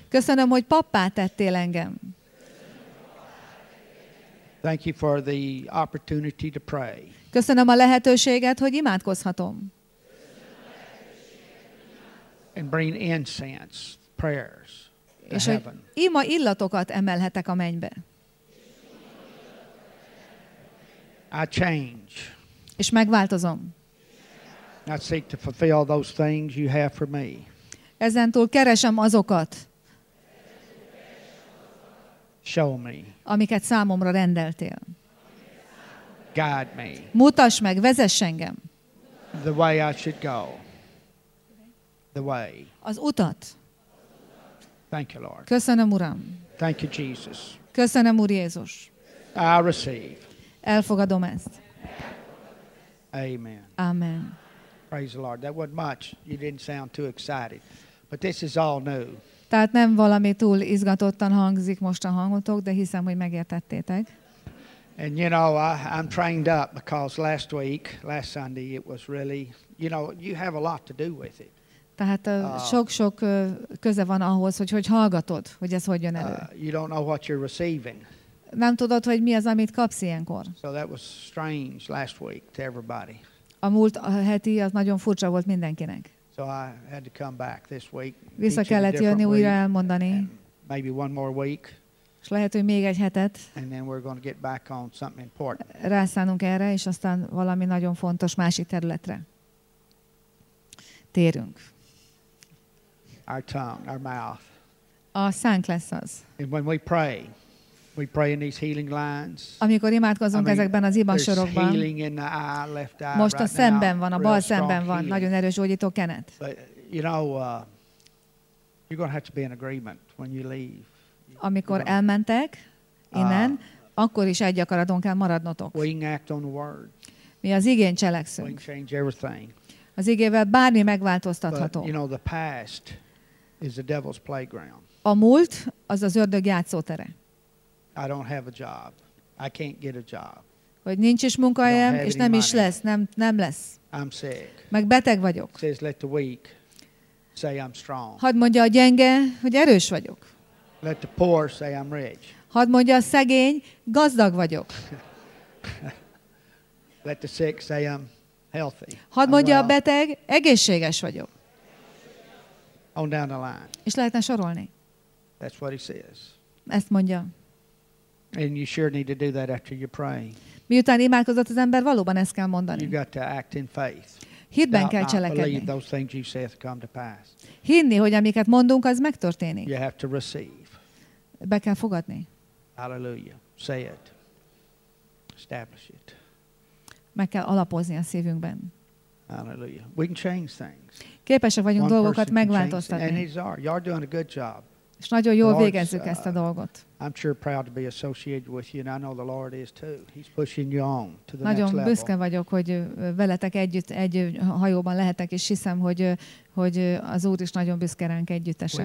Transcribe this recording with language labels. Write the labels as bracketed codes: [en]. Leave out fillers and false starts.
[hu] Köszönöm, hogy pappá tettél engem. [en] Thank you for the opportunity to pray. [hu] Köszönöm a lehetőséget, hogy imádkozhatom. [en] And bring incense, prayers to [hu] és [en] heaven. [hu] Íma illatokat emelhetek a mennybe. [en] I change. [hu] És megváltozom. [en] I seek to fulfill those things you have for me. [hu] Ezentúl keresem azokat. [en] Show me. [hu] Amiket számomra rendeltél. [en] Guide me. [hu] Mutass meg, vezess engem. [en] The way I should go. The way. [hu] Az utat. [en] Thank you, Lord. [hu] Köszönöm, Uram. [en] Thank you, Jesus. [hu] Köszönöm, Úr Jézus. [en] I receive. [hu] Elfogadom ezt. Amen. Amen. [en] Praise the Lord. That wasn't much. You didn't sound too excited. But this is all new. [hu] Tehát nem valami túl izgatottan hangzik most a hangotok, de hiszem, hogy megértettétek. [en] And you know, I'm trained up because last week, last Sunday, it was really, you know, you have a lot to do with it. [hu] Tehát sok-sok köze van ahhoz, hogy hallgatod, hogy ez hogy jön elő. [en] You don't know what you're receiving. [hu] Nem tudod, hogy mi az, amit kapsz ilyenkor. [en] So that was strange last week to everybody. [hu] A múlt heti az nagyon furcsa volt mindenkinek. [en] So I had to come back this week. [hu] Vissza kellett jönni újra elmondani. [en] Maybe one more week. [hu] És lehet, hogy még egy hetet. [en] And then we're going to get back on something important. [hu] Rászánunk erre, és aztán valami nagyon fontos másik területre térünk. [en] Our tongue, our mouth. [hu] A szánk lesz az. [en] And when we pray in these healing lines. [hu] Amikor imádkozunk ezekben az ima sorokban. [en] There's healing in the eye, left eye. [hu] Most [en] right [hu] a szemben [en] now, [hu] van, a bal szemben van, nagyon erős gyógyító kenet. [en] But, you know, you're going to have to be in agreement when you leave. [hu] Amikor elmentek innen, akkor is egy akaraton kell maradnotok. [en] We act on the word. [hu] Mi az igén cselekszünk. [en] We can change everything. [hu] Az igével bármi megváltoztatható. [en] But, you know, the past is the devil's playground. [hu] A múlt az az ördög játszótere. [en] I don't have a job. I can't get a job. [hu] Hogy nincs is munkahelyem, és nem is lesz, nem lesz. [en] I'm sick. [hu] Meg beteg vagyok. [en] Says let the weak say I'm strong. [hu] Hadd mondja a gyenge, hogy erős vagyok. [en] Let the poor say I'm rich. [hu] Hadd mondja a szegény, gazdag vagyok. [en] Let the sick say I'm healthy. [hu] Hadd mondja a beteg, egészséges vagyok. [en] On down the line. [hu] És lehetne sorolni. [en] That's what he says. [hu] Ezt mondja. [en] And you sure need to do that after you're praying. [hu] Miután imádkozott az ember, valóban ezt kell mondani. [en] You got to act in faith. [hu] Hitben kell cselekedni. [en] Believe those things you say come to pass. [hu] Hinni, hogy amiket mondunk, az megtörténik. [en] You have to receive. [hu] Be kell fogadni. [en] Hallelujah. Say it. Establish it. [hu] Meg kell alapozni a szívünkben. [en] Hallelujah. We can change things. [hu] Képesek vagyunk one dolgokat megváltoztatni. [en] And these are. You're doing a good job. [hu] És nagyon jól végezzük ezt a dolgot. [en] I'm sure proud to be associated with you, and I know the Lord is too. He's pushing you on to the [hu] nagyon [en] next level. [hu] Nagyon büszke vagyok, hogy veletek együtt egy hajóban lehetek, és hiszem, hogy az Úr is nagyon büszke ránk együttesen.